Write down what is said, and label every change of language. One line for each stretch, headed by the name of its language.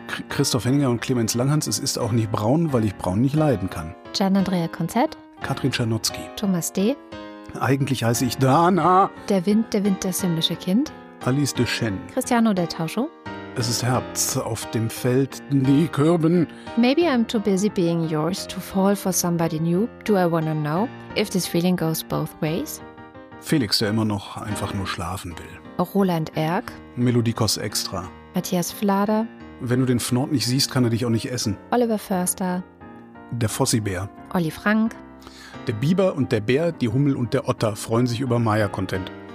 German: Christoph Henninger und Clemens Langens, es ist auch nicht braun, weil ich braun nicht leiden kann. Gian-Andrea Konzett. Katrin Czernotzki. Thomas D. Eigentlich heiße ich Dana. Der Wind, das himmlische Kind. Alice de Chen. Cristiano del Tauscho. Es ist Herbst, auf dem Feld die Kürben.
English: Maybe I'm too busy being yours to fall for somebody new. Do I wanna know if this feeling goes both ways?
German: Felix, der immer noch einfach nur schlafen will. Roland Erck. Melodikos Extra. Matthias Flader. Wenn du den Fnord nicht siehst, kann er dich auch nicht essen. Oliver Förster. Der Fossi-Bär. Olli Frank. Der Biber und der Bär, die Hummel und der Otter freuen sich über Maya-Content.